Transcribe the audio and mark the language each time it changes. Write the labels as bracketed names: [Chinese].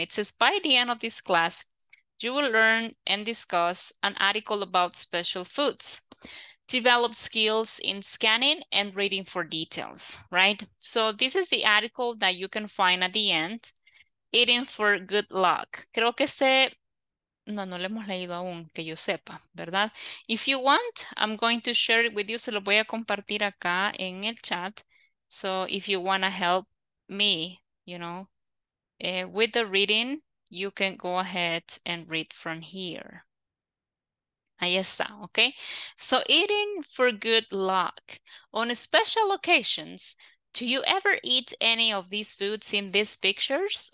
[English] It says, by the end of this class, you will learn and discuss an article about special foods. Develop skills in scanning and reading for details, right? So this is the article that you can find at the end. Eating for good luck. [Spanish] Creo que este... No lo hemos leído aún, que yo sepa, ¿verdad? [English] If you want, I'm going to share it with you. [Spanish] Se lo voy a compartir acá en el chat. [English] So if you want to help me, you know, with the reading, you can go ahead and read from here. [Spanish] Ahí está, [English] okay? So eating for good luck. On special occasions, do you ever eat any of these foods in these pictures?